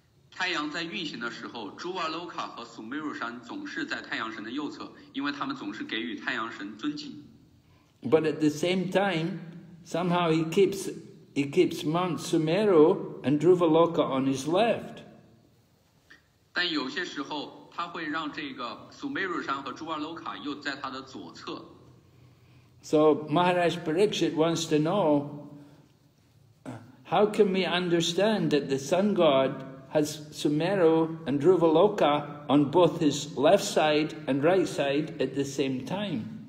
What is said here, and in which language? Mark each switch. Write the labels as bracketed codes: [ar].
[zh] 太阳在运行的时候，朱瓦洛卡和苏梅鲁山总是在太阳神的右侧，因为他们总是给予太阳神尊敬。 [en] But at the same time, somehow he keeps Mount Sumeru and Dhruvaloka on his left. [zh] 但有些时候。他会让这个苏梅鲁山和朱瓦洛卡又在他的左侧。 [en] So Maharaj Parikshit wants to know, how can we understand that the sun god has Sumeru and Dhruvaloka on both his left side and right side at the same time?